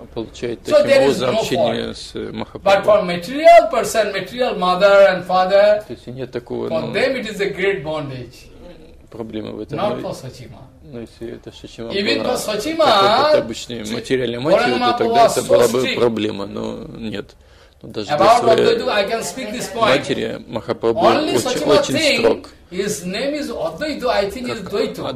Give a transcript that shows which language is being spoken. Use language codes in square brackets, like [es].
[ru] Получает таким образом общение с Махапрабху. [en] But for material person, material mother and father, [ru] то есть нет такого, [en] for them it is a great bondage. [ru] Проблема в этом. [en] Not for Swachima. [ru] Но если это Swachima была какой-то обычной материальной матерью, то тогда это была бы проблема, но нет. Но даже для своей матери Махапрабху очень строг. [en] His name is Advaita, I think is Dvaita.